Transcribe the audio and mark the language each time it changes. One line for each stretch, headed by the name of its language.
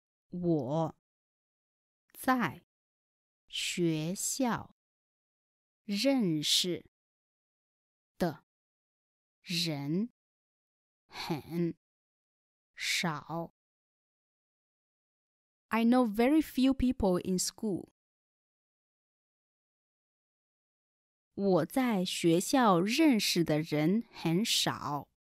Chinese: 我在学校认识的人很少。
English: I know very few people in school.
Chinese: 我在学校认识的人很少。